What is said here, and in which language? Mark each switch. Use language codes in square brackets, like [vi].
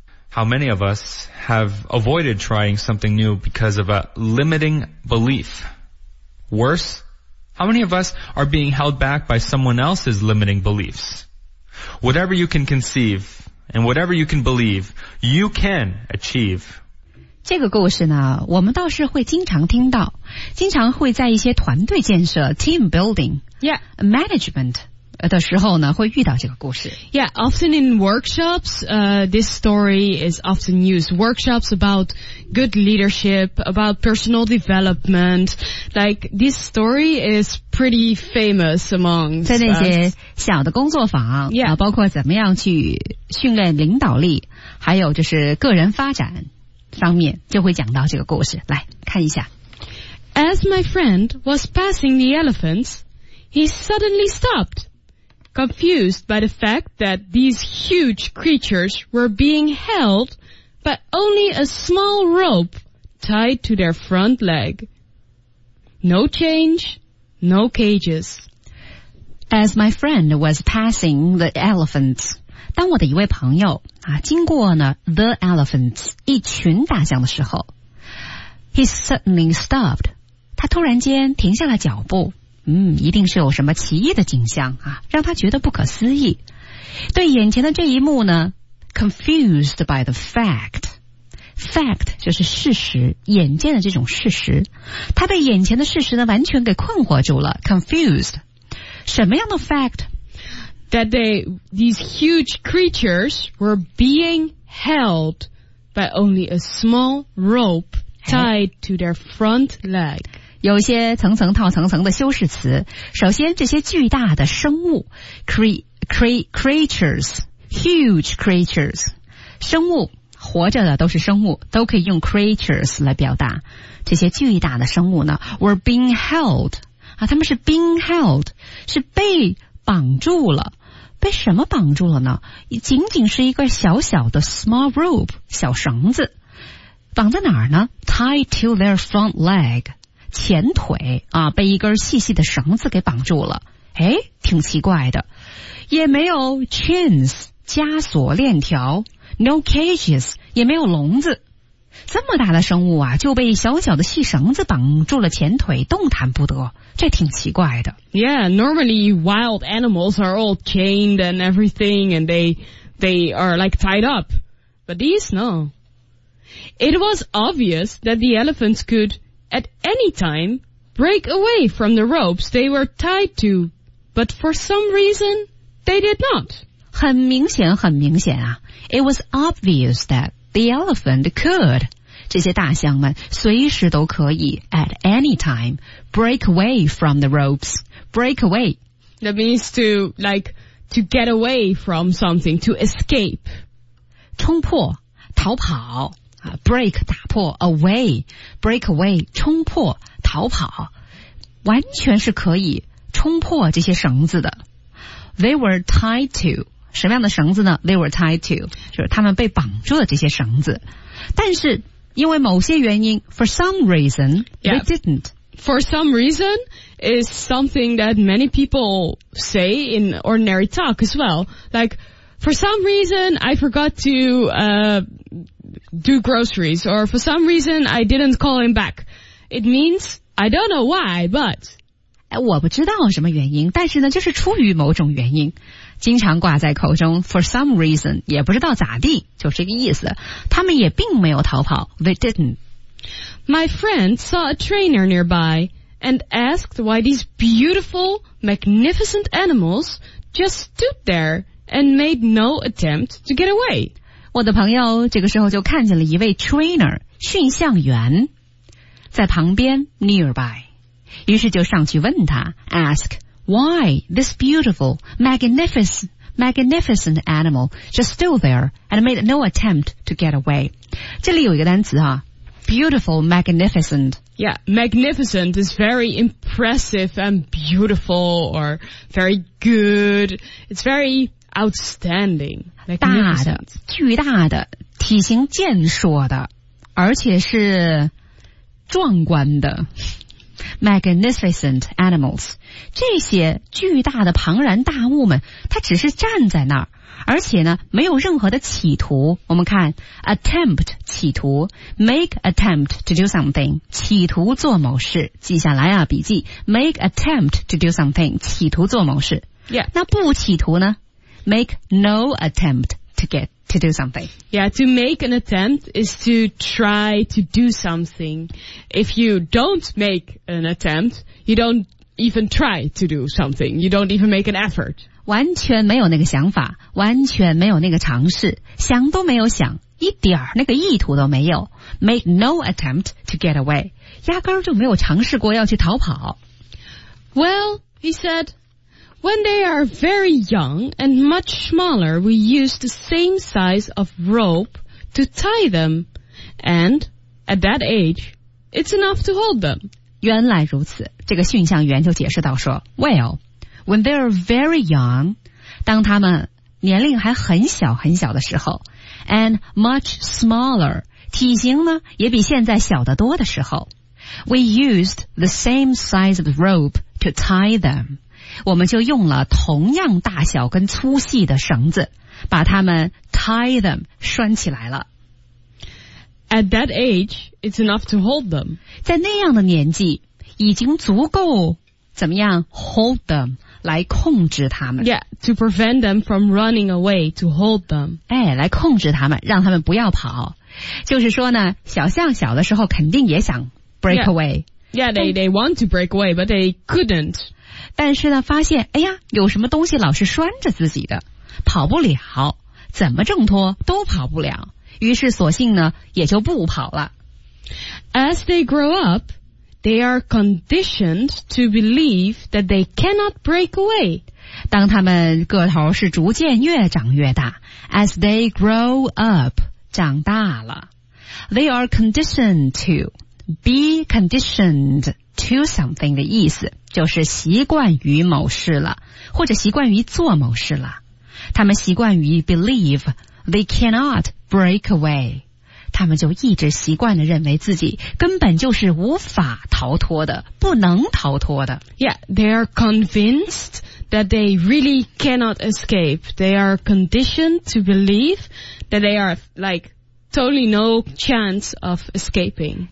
[en] How many of us have avoided trying something new because of a limiting belief? Worse, how many of us are being held back by someone else's limiting beliefs? Whatever you can conceive and whatever you can believe, you can achieve. [zh] 这个故事呢，我们倒是会经常听到，经常会在一些团队建设 [en] team building, yeah, [zh] management的时候呢，会遇到这个故事。 [en] Yeah, often in workshops, this story is often used. Workshops about good leadership, about personal development. Like, this story is pretty famous among [zh] 在那些小的工作坊、 [en] yeah. [zh] 包括怎么样去训练领导力，还有就是个人发展上面，就会讲到这个故事。来，看一下。 [en] As my friend was passing the elephants, he suddenly stopped. Confused by the fact that these huge creatures were being held by only a small rope tied to their front leg. No change, no cages. As my friend was passing the elephants, [zh] 当我的一位朋友、啊、经过呢 [en] the elephants, [zh] 一群大象的时候 [en] he suddenly stopped, [zh] 他突然间停下了脚步。嗯，一定是有什么奇异的景象啊，让他觉得不可思议。对眼前的这一幕呢 ， [en] confused by the fact， [zh] fact 就是事实，眼见的这种事实，他被眼前的事实呢完全给困惑住了 ，confused。什么样的 fact？ [en] That these huge creatures were being held by only a small rope tied to their front leg。 [zh] 有些层层套层层的修饰词。首先，这些巨大的生物 creatures, [en] huge creatures, [zh] 生物，活着的都是生物，都可以用 creatures 来表达。这些巨大的生物呢 ， [en] were being held [zh] 啊，他们是 [en] being held, [zh] 是被绑住了，被什么绑住了呢？仅仅是一个小小的 [en] small rope [zh] 小绳子，绑在哪儿呢 ？ [en] Tied to their front leg. [zh] 前腿啊，被一根细细的绳子给绑住了，诶，挺奇怪的。也没有 chains, 枷锁链条 , [en] no cages, [zh] 也没有笼子。这么大的生物啊，就被小小的细绳子绑住了前腿，动弹不得，这挺奇怪的。 [en] Yeah, normally wild animals are all chained and everything, and they are like tied up. But these, no. It was obvious that the elephants could... At any time, break away from the ropes they were tied to, but for some reason, they did not. [zh] 很明显，很明显啊。 [en] It was obvious that the elephant could, [zh] 这些大象们随时都可以 [en] at any time, break away from the ropes, break away. That means to get away from something, to escape. [zh] 冲破，逃跑。 Break, 打破 away, [en] break away, [zh] 冲破逃跑完全是可以冲破这些绳子的 [en] They were tied to, [zh] 什么样的绳子呢 They were tied to, 就是他们被绑住了这些绳子但是因为某些原因 [en] for some reason,、 yeah. they didn't, for some reason, is something that many people say in ordinary talk as well. Like, for some reason, I forgot to do groceries, or for some reason, I didn't call him back. It means, I don't know why, but... [zh] 我不知道什么原因，但是呢，就是出于某种原因，经常挂在口中。 [en] For some reason, [zh] 也不知道咋地，就这个意思。他们也并没有逃跑。 [en] They didn't. My friend saw a trainer nearby and asked why these beautiful, magnificent animals just stood there and made no attempt to get away. [zh] 我的朋友这个时候就看见了一位 trainer, 驯象员，在旁边 nearby. 于是就上去问他 [en] ask why this beautiful magnificent animal just stood there and made no attempt to get away. [zh] 这里有一个单词啊 [en] beautiful magnificent. Yeah, magnificent is very impressive and beautiful or very good. It's very outstanding. [zh] 大的巨大的体型健硕的而且是壮观的。 [en] Magnificent animals. [zh] 这些巨大的庞然大物们它只是站在那儿而且呢没有任何的企图。我们看 attempt 企图 [en] make attempt to do something, [zh] 企图做某事记下来啊笔记 make attempt to do something, 企图做某事。 [en] Yeah. [zh] 那不企图呢 [en] make no attempt to do something. Yeah, to make an attempt is to try to do something. If you don't make an attempt, you don't even try to do something. You don't even make an effort. [zh] 完全没有那个想法，完全没有那个尝试，想都没有想，一点那个意图都没有。 [en] Make no attempt to get away. [zh] 压根就没有尝试过要去逃跑。 [en] Well, he said,When they are very young and much smaller, we use the same size of rope to tie them. And at that age, it's enough to hold them. [zh] 原来如此，这个驯象员就解释到说 [en] Well, when they are very young, [zh] 当他们年龄还很小很小的时候 [en] And much smaller, [zh] 体型呢也比现在小得多的时候 [en] We used the same size of rope to tie them. [zh] 我们就用了同样大小跟粗细的绳子把它们 [en] tie them [zh] 拴起来了 [en] At that age it's enough to hold them [zh] 在那样的年纪已经足够怎么样 [en] hold them [zh] 来控制它们 [en] Yeah, to prevent them from running away to hold them [zh] 哎，来控制它们让它们不要跑就是说呢小象小的时候肯定也想 [en] break away Yeah, they want to break away but they couldn't [zh] 但是呢发现哎呀有什么东西老是拴着自己的跑不了怎么挣脱都跑不了于是索性呢也就不跑了 [en] As they grow up they are conditioned to believe that they cannot break away [zh] 当他们个头是逐渐越长越大 [en] As they grow up [zh] 长大了 [en] They are conditioned to be conditioned to something [zh] 的意思就是习惯于某事了或者习惯于做某事了他们习惯于 [en] believe they cannot break away [zh] 他们就一直习惯地认为自己根本就是无法逃脱的不能逃脱的 [en] Yeah, they are convinced that they really cannot escape They are conditioned to believe that they are like totally no chance of escaping